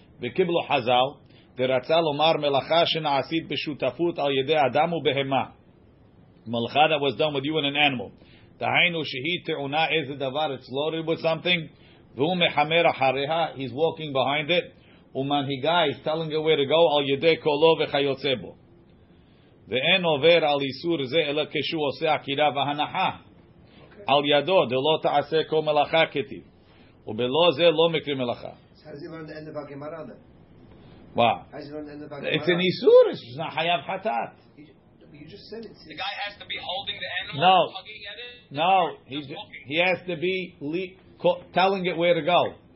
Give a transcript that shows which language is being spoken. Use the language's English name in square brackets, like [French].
[Hebrew] וקיבלו חזל, ורצה לומר מלאכה שנעשית בשותפות על ידי אדם ובהמה. [English] מלאכה that was done with you and an animal. [Hebrew] דהיינו שהיא טעונה איזה דבר, [English] it's loaded with something, [Hebrew] והוא מחמר אחריה, [English] he's walking behind it, [Hebrew] ומנהיגה, [English] he's telling you where to go, [Hebrew] על ידי קולו וכיוצא בו. ואין עובר על איסור זה, אלא כשהוא עושה עקירה והנחה. Okay. על ידו, דלא תעשה כל מלאכה כתיב. ובלא זה לא מקרה מלאכה. [English] How does he learn the end of Agimara then? Wow. How does he learn the end of Agimara? It's an Isur. It's not Hayav Hatat. You just said it. The guy has to be holding the animal, no. Hugging at it? No. He has to be telling it where to go.